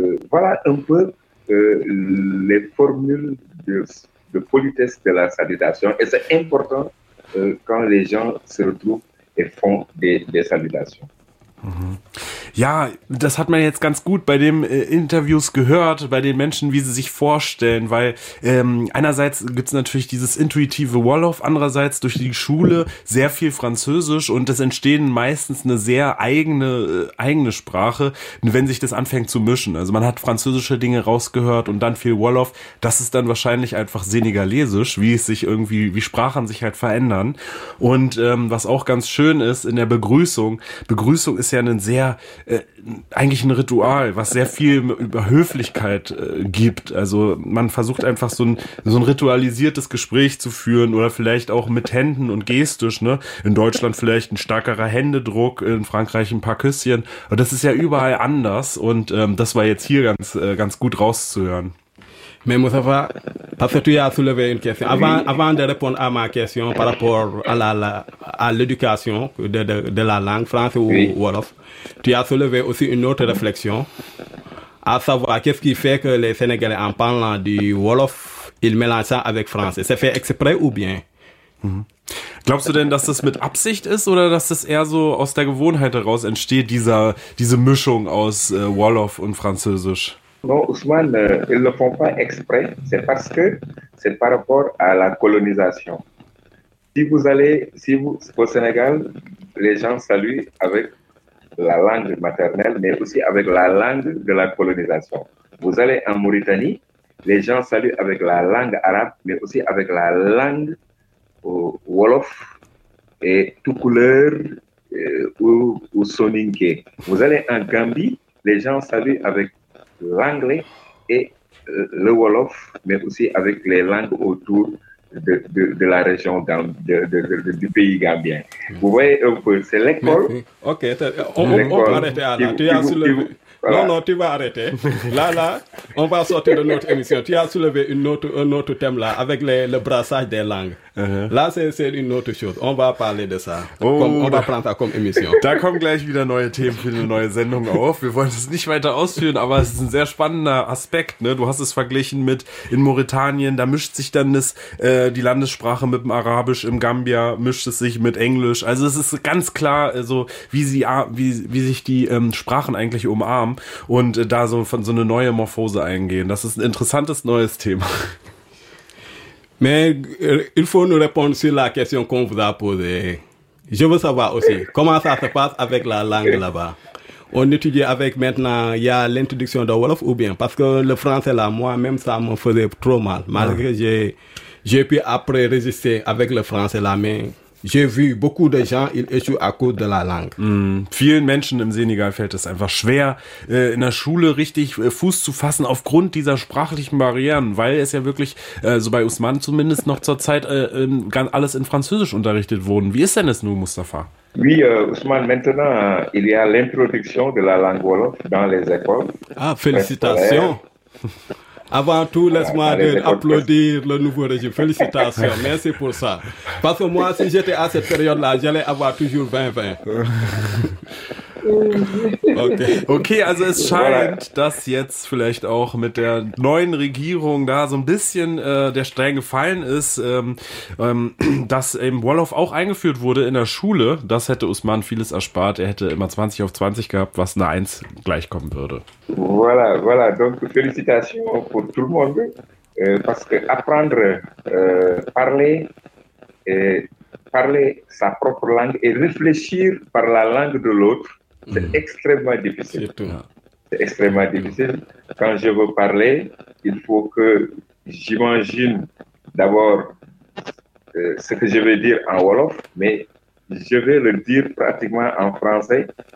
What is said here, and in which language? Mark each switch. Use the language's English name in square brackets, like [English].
[French] Voilà un peu les formules de politesse de la salutation. Et c'est important quand les gens se retrouvent et font des salutations. [German] Ja, das hat man jetzt ganz gut bei den Interviews gehört, bei den Menschen, wie sie sich vorstellen, weil einerseits gibt es natürlich dieses intuitive Wolof, andererseits durch die Schule sehr viel Französisch und es entstehen meistens eine sehr eigene Sprache, wenn sich das anfängt zu mischen. Also man hat französische Dinge rausgehört und dann viel Wolof. Das ist dann wahrscheinlich einfach Senegalesisch, wie es sich irgendwie, wie Sprachen sich halt verändern. Und was auch ganz schön ist in der Begrüßung, Begrüßung ist ja ein sehr eigentlich ein Ritual, was sehr viel über Höflichkeit gibt. Also man versucht einfach so ein ritualisiertes Gespräch zu führen oder vielleicht auch mit Händen und gestisch, ne? In Deutschland vielleicht ein stärkerer Händedruck, in Frankreich ein paar Küsschen. Und das ist ja überall anders und das war jetzt hier ganz, ganz gut rauszuhören. [French] Mais Moussafa, parce que tu as soulevé une question. Avant de répondre à ma question par rapport à l'éducation de la langue française ou wolof, tu as soulevé aussi une autre réflexion, à savoir qu'est-ce qui fait que les Sénégalais, en parlant du wolof, ils mélangent ça avec français. C'est fait exprès ou bien? [German] Glaubst du denn, dass das mit Absicht ist oder dass das eher so aus der Gewohnheit heraus entsteht, diese Mischung aus Wolof und Französisch? [French] Non, Ousmane, ils ne le font pas exprès, c'est parce que c'est par rapport à la colonisation. Si vous allez au Sénégal, les gens saluent avec la langue maternelle, mais aussi avec la langue de la colonisation. Vous allez en Mauritanie, les gens saluent avec la langue arabe, mais aussi avec la langue wolof et toucouleur ou soninké. Vous allez en Gambie, les gens saluent avec l'anglais et le wolof, mais aussi avec les langues autour de la région du pays gambien. Vous voyez un peu, c'est l'école. Merci. Ok, on peut arrêter là. Tu as soulevé. Non, Voilà. non, tu vas arrêter. Là, on va sortir de notre émission. Tu as soulevé un autre thème là, avec le brassage des langues. Là, c'est une autre chose. On va parler de ça. Oh, On va prendre ça comme émission. [German] Da kommen gleich wieder neue Themen für eine neue Sendung auf. Wir wollen es nicht weiter ausführen, aber es ist ein sehr spannender Aspekt, ne? Du hast es verglichen mit in Mauretanien, da mischt sich dann die Landessprache mit dem Arabisch, im Gambia mischt es sich mit Englisch. Also es ist ganz klar, also, wie sich die Sprachen eigentlich umarmen und da so von so eine neue Morphose eingehen. Das ist ein interessantes neues Thema. [French] Mais il faut nous répondre sur la question qu'on vous a posée. Je veux savoir aussi comment ça se passe avec la langue là-bas. On étudie avec maintenant, il y a l'introduction de Wolof ou bien, parce que le français là, moi-même, ça me faisait trop mal. Malgré que j'ai pu après résister avec le français là, mais j'ai vu beaucoup de gens, ils échouent à cause de la langue. [German] Vielen Menschen im Senegal fällt es einfach schwer, in der Schule richtig Fuß zu fassen aufgrund dieser sprachlichen Barrieren, weil es ja wirklich, so bei Ousmane zumindest, noch zur Zeit ganz alles in Französisch unterrichtet wurden. Wie ist denn das nun, Mustafa? [French] Oui, Ousmane, maintenant, il y a l'introduction de la langue wolof dans les écoles. Ah, félicitations. Avant tout, laisse-moi applaudir le nouveau régime. Félicitations, merci pour ça. Parce que moi, si j'étais à cette période-là, j'allais avoir toujours 20-20. [German] Okay, also es scheint, dass jetzt vielleicht auch mit der neuen Regierung da so ein bisschen der Stein gefallen ist, dass eben Wolof auch eingeführt wurde in der Schule. Das hätte Ousmane vieles erspart. Er hätte immer 20 auf 20 gehabt, was eine 1 gleichkommen würde. [French] Voilà. Donc, félicitations pour tout le monde. Parce que apprendre, parler sa propre langue et réfléchir par la langue de l'autre, c'est extrêmement difficile. Surtout. C'est extrêmement difficile. Quand je veux parler, il faut que j'imagine d'abord ce que je vais dire en wolof, mais je vais le dire pratiquement en français.